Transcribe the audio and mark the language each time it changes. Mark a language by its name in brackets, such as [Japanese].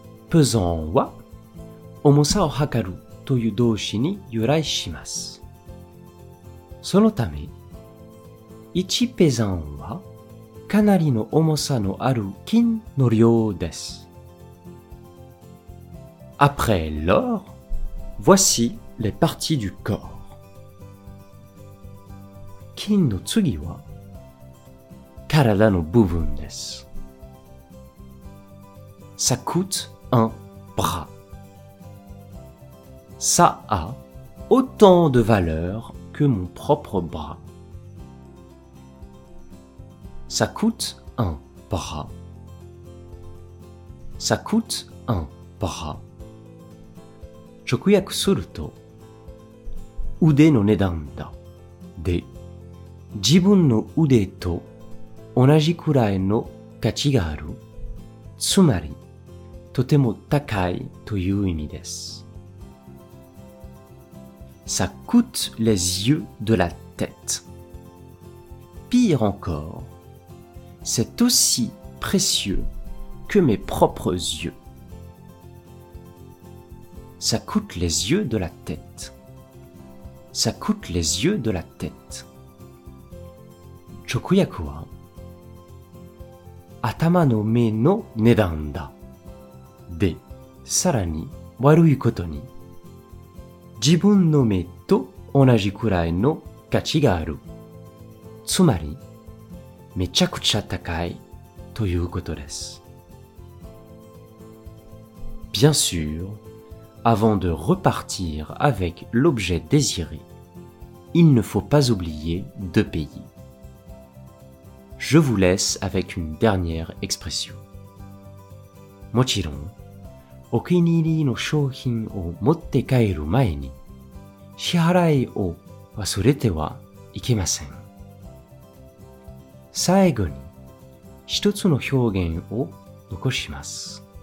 [Japanese] Pesant は重さを測るという動詞に由来します。そのため、一ペザンはかなりの重さのある金の量です。 [French] Après l'or, voici les parties du corps. [Japanese] 金の次は体の部分です。 [French] Ça coûte un bras. Ça a autant de valeur que mon propre bras. Ça coûte un bras. Ça coûte un bras. [Japanese] 直訳すると、腕の値段だ。で、自分の腕と同じくらいの価値がある。つまり、とても高いという意味です。 [French] Ça coûte les yeux de la tête. Pire encore. C'est aussi précieux que mes propres yeux. Ça coûte les yeux de la tête. Ça coûte les yeux de la tête. [Japanese] 直訳は頭の目の値段だ。で、さらに悪いことに、自分の目と同じくらいの価値がある。つまり、めちゃくちゃ高いということです。 [French] Bien sûr, avant de repartir avec l'objet désiré, il ne faut pas oublier de payer. Je vous laisse avec une dernière expression. [Japanese] もちろん、お気に入りの商品を持って帰る前に、支払いを忘れてはいけません。最後に一つの表現を残します。